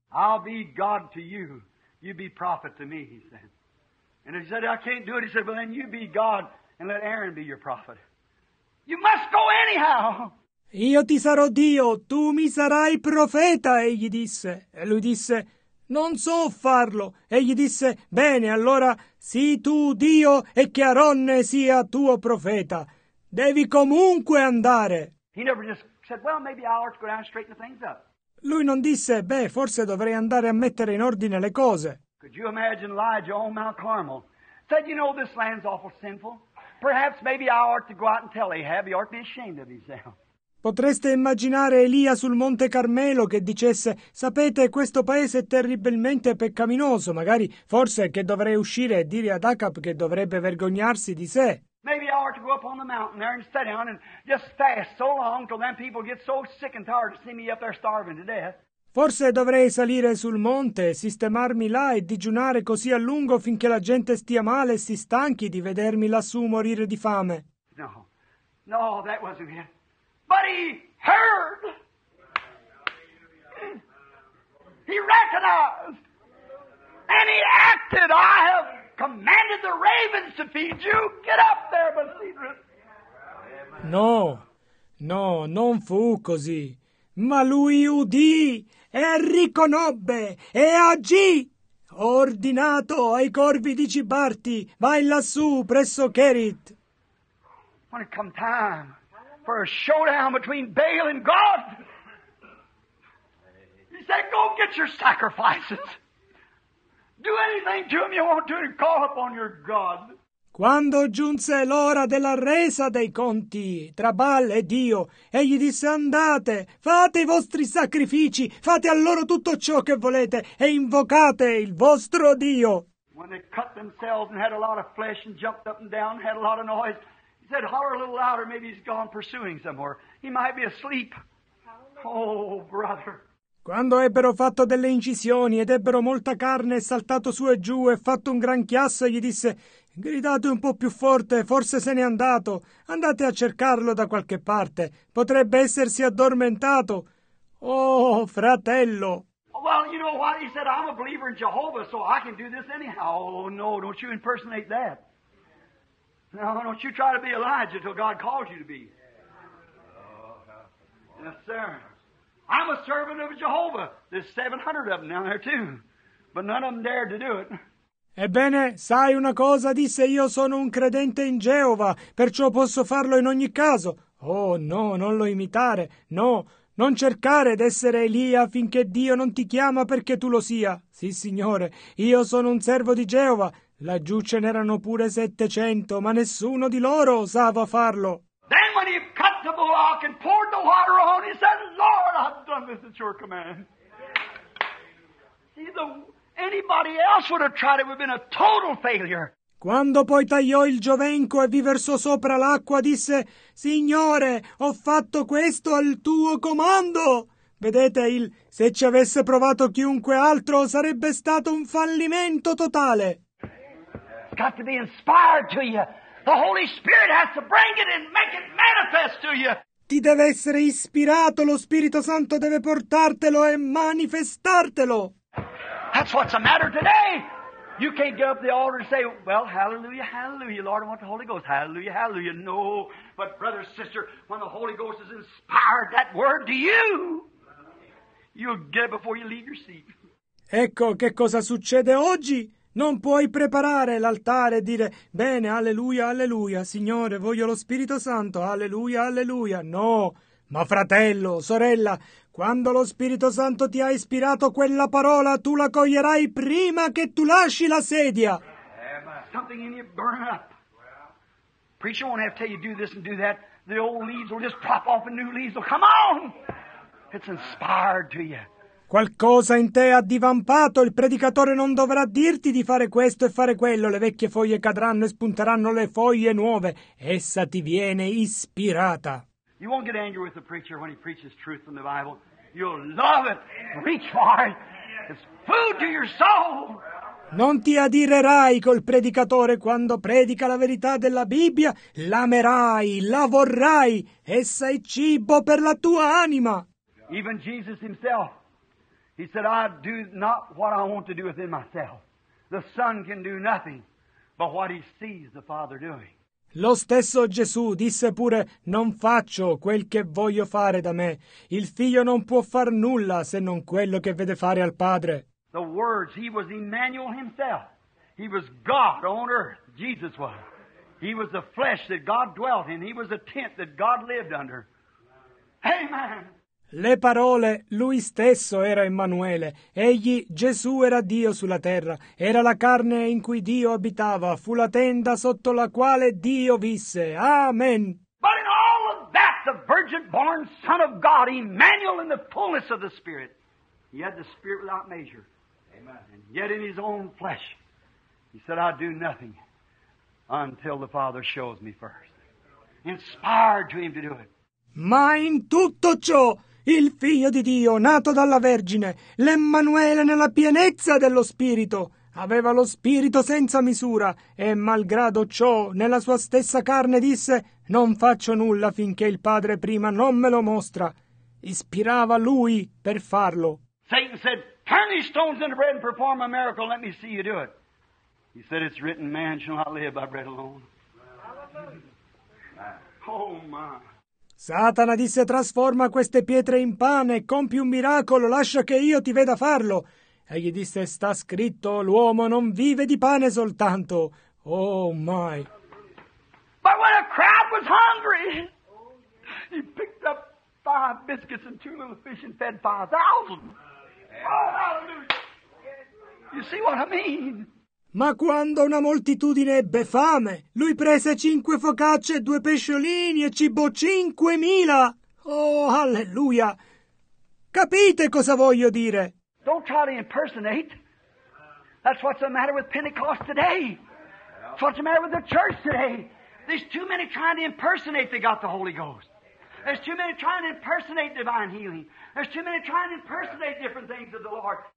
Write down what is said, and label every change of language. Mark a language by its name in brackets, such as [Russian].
[English] I'll be God to you. You be prophet to me, he said. And he said, I can't do it. He said, well, then you be God and let Aaron be your prophet. You must go anyhow. [Italian] Io ti sarò Dio, tu mi sarai profeta, egli disse. E lui disse, non so farlo. Egli disse, bene, allora sii tu Dio e che Aronne sia tuo profeta. Devi comunque andare. [English] He never just said, well, maybe I ought to go down and straighten things up. [Italian] Lui non disse, beh, forse dovrei andare a mettere in ordine le cose. [English] Could you imagine Elijah on Mount Carmel? Said, you know, this land's awful sinful. Perhaps maybe I ought to go out and tell Ahab, he ought to be ashamed of himself. [Italian] Potreste immaginare Elia sul Monte Carmelo che dicesse, sapete, questo paese è terribilmente peccaminoso, magari, forse, che dovrei uscire e dire ad Acab che dovrebbe vergognarsi di sé. [English] Maybe I ought to go up on the mountain there and sit down and just fast so long till them people get so sick and tired to see me up there starving to death. [Italian] Forse dovrei salire sul monte, sistemarmi là e digiunare così a lungo finché la gente stia male e si stanchi di vedermi lassù morire di fame. [English] No, no, that wasn't it. But he heard. He recognized. And he acted. I have commanded the ravens to feed you. Get up there, Basidrus. [Italian] No, no, non fu così. Ma lui udì e riconobbe e agì. Ho ordinato ai corvi di cibarti. Vai lassù presso Kerit. [English] When it come time for a showdown between Baal and God, he said, go get your sacrifices. Do anything to him you want to and call upon your God. [Italian] Quando giunse l'ora della resa dei conti tra Baal e Dio, egli disse, andate, fate i vostri sacrifici, fate a loro tutto ciò che volete e invocate il vostro Dio. [English] When they cut themselves and had a lot of flesh and jumped up and down, had a lot of noise, he said, holler a little louder, maybe he's gone pursuing somewhere. He might be asleep. Oh, brother. [Italian] Quando ebbero fatto delle incisioni ed ebbero molta carne e saltato su e giù e fatto un gran chiasso, gli disse, gridate un po' più forte, forse se n'è andato. Andate a cercarlo da qualche parte. Potrebbe essersi addormentato. Oh, fratello! [English] Well, you know what? He said, I'm a believer in Jehovah, so I can do this anyhow. Oh, no, don't you impersonate that. No, don't you try to be Elijah until God calls you to be. Yes, sir. I'm a servant of Jehovah. There's 700 of them down there too. But none of them dared to do it. [Italian] Ebbene, sai una cosa, disse, io sono un credente in Geova, perciò posso farlo in ogni caso. Oh, no, non lo imitare. No, non cercare d'essere Elia finché Dio non ti chiama perché tu lo sia. Sì, signore, io sono un servo di Geova. Laggiù ce n'erano pure 700, ma nessuno di loro osava farlo. [English] Then when he cut the bullock and poured the water on, he said, Lord, I've done this at your command. See, anybody else would have tried it, would have been a total failure. [Italian] Quando poi tagliò il giovenco e vi versò sopra l'acqua, disse, Signore, ho fatto questo al tuo comando. Vedete, se ci avesse provato chiunque altro, sarebbe stato un fallimento totale. [English] It's got to be inspired to you. The Holy Spirit has to bring it and make it manifest to you. [Italian] ti deve essere ispirato, lo Spirito Santo deve portartelo e manifestartelo. [English] That's what's the matter today. You can't get up the altar and say, well, hallelujah, hallelujah, Lord, I want the Holy Ghost, hallelujah, hallelujah. No, but brother, sister, when the Holy Ghost has inspired that word to you, you'll get it before you leave your seat. [Italian] Ecco che cosa succede oggi. Non puoi preparare l'altare e dire, bene, alleluia, alleluia, Signore, voglio lo Spirito Santo, alleluia, alleluia. No, ma fratello, sorella, quando lo Spirito Santo ti ha ispirato quella parola, tu la coglierai prima che tu lasci la sedia. [English] Something in you burn up. Preacher won't have to tell you do this and do that. The old leaves will just pop off and new leaves will come on. It's inspired to you. [Italian] Qualcosa in te ha divampato, il predicatore non dovrà dirti di fare questo e fare quello, le vecchie foglie cadranno e spunteranno le foglie nuove, essa ti viene ispirata. [English] You won't get angry with the preacher when he preaches truth from the Bible. You'll love it, reach for it, it's food to your soul. [Italian] Non ti adirerai col predicatore quando predica la verità della Bibbia, l'amerai, la vorrai, essa è cibo per la tua anima. [English] Even Jesus himself. He said, I do not what I want to do within myself. The Son can do nothing but what He sees the Father doing. [Italian] Lo stesso Gesù disse pure, non faccio quel che voglio fare da me. Il Figlio non può far nulla se non quello che vede fare al Padre. [English] The words, He was Emmanuel Himself. He was God on earth, Jesus was. He was the flesh that God dwelt in. He was a tent that God lived under. Amen! [Italian] Le parole, lui stesso era Emanuele. Egli, Gesù, era Dio sulla terra. Era la carne in cui Dio abitava. Fu la tenda sotto la quale Dio visse. Amen. [English] But in all of that, the virgin-born Son of God, Emmanuel in the fullness of the Spirit, he had the Spirit without measure. Amen. And yet in his own flesh, he said, I do nothing until the Father shows me first. Inspired to him to do it. [Italian] Ma in tutto ciò, il Figlio di Dio, nato dalla Vergine, l'Emmanuele nella pienezza dello Spirito, aveva lo Spirito senza misura e, malgrado ciò, nella sua stessa carne disse «Non faccio nulla finché il Padre prima non me lo mostra». Ispirava Lui per farlo. [English] Satan said, «Turn these stones into bread and perform a miracle, let me see you do it». He said, «It's written, man shall not live by bread alone». Oh, my! [Italian] Satana disse, trasforma queste pietre in pane, compi un miracolo, lascia che io ti veda farlo. Egli disse, sta scritto, l'uomo non vive di pane soltanto. [English] Oh, my. But when a crowd was hungry, he picked up five biscuits and two little fish and fed 5,000. Oh, hallelujah. You see what I mean? [Italian] Ma quando una moltitudine ebbe fame, lui prese 5 focacce e 2 pesciolini e cibò 5,000. Oh, alleluia! Capite cosa voglio dire? [English] Don't try to impersonate. That's what's the matter with Pentecost today. That's what's the matter with the church today. There's too many trying to impersonate they got the Holy Ghost. There's too many trying to impersonate divine healing. There's too many trying to impersonate different things of the Lord.